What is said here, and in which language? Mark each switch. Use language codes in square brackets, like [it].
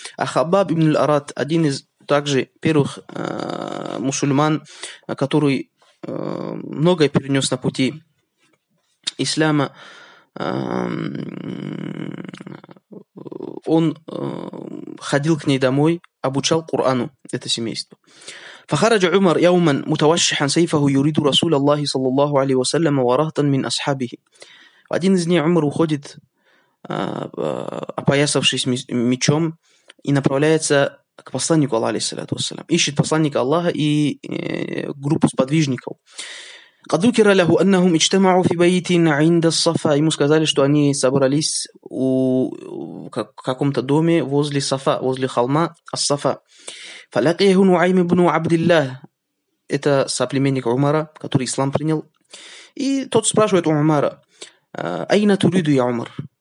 [ru] А Хаббаб ибн ал-Арат, один из также первых мусульман, который многое перенес на пути ислама, он ходил к ней домой, обучал Корану это семейство. [ar] فخرج عمر يوما متوشحا سيفه يريد رسول الله صلى الله عليه وسلم ورهطا من اصحابه. [ru] Один из дней Умар уходит, опоясавшись мечом, и направляется к посланнику Аллаха, алейхиссалату вассалям. Ищет посланника Аллаха и группу сподвижников. [ar] قد ذكر له انهم اجتمعوا في بيت عند الصفا. [ru] Ему сказали, что они собрались в каком-то доме возле Сафа, возле холма Ас-Сафа. [ar] فلقيه نعيم بن عبد الله. [ru] Это соплеменник Умара, который ислам принял. И тот спрашивает у Умара: [ar] "Айна туриду я Умар?"